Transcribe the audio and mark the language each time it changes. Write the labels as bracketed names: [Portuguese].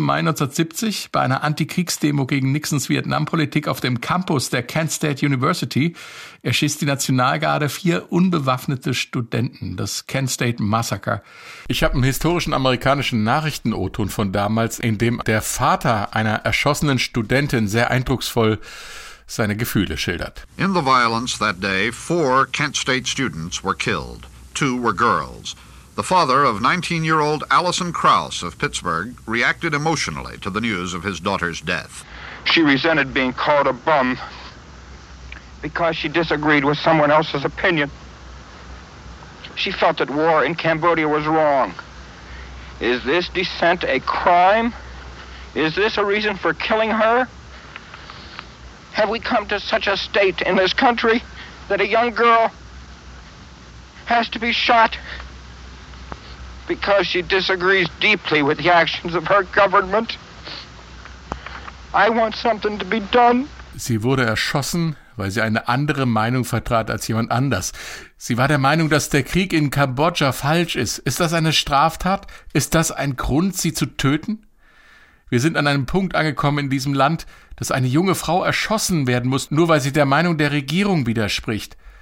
[German] Mai 1970 bei einer Antikriegsdemo gegen Nixons Vietnampolitik auf dem Campus der Kent State University. Erschießt die Nationalgarde 4 unbewaffnete Studenten. Das Kent State Massacre. Ich habe einen historischen amerikanischen Nachrichten-O-Ton von damals, in dem der Vater einer erschossenen Studentin sehr eindrucksvoll seine Gefühle schildert. [English] In the violence that day, 4 Kent State students were killed. 2 were girls. The father of 19-year-old Allison Krauss of Pittsburgh reacted emotionally to the news of his daughter's death. She resented being called a bum because she disagreed with someone else's opinion. She felt that war in Cambodia was wrong. Is this dissent a crime? Is this a reason for killing her? Have we come to such a state in this country that a young girl has to be shot because she disagrees deeply with the actions of her government? I want something to be done. [German] Sie wurde erschossen, weil sie eine andere Meinung vertrat als jemand anders. Sie war der Meinung, dass der Krieg in Kambodscha falsch ist. Ist das eine Straftat? Ist das ein Grund, sie zu töten? Wir sind an einem Punkt angekommen in diesem Land, dass eine junge Frau erschossen werden muss, nur weil sie der Meinung der Regierung widerspricht.